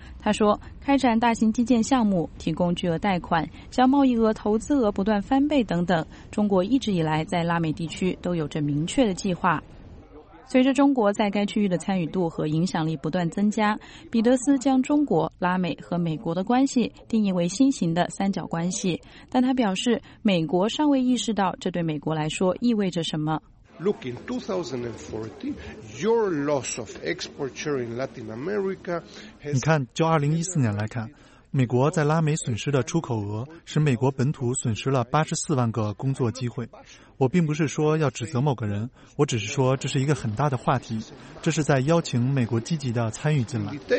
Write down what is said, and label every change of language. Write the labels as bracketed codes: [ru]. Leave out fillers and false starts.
[zh] 他说，开展大型基建项目、提供巨额贷款、将贸易额、投资额不断翻倍等等，中国一直以来在拉美地区都有着明确的计划。随着中国在该区域的参与度和影响力不断增加，彼得斯将中国、拉美和美国的关系定义为新型的三角关系，但他表示美国尚未意识到这对美国来说意味着什么。 [en] Look, in 2014, your loss of export share in Latin America [zh] has... 你看，就2014年来看，美国在拉美损失的出口额使美国本土损失了84万个工作机会。我并不是说要指责某个人，我只是说这是一个很大的话题，这是在邀请美国积极的参与进来。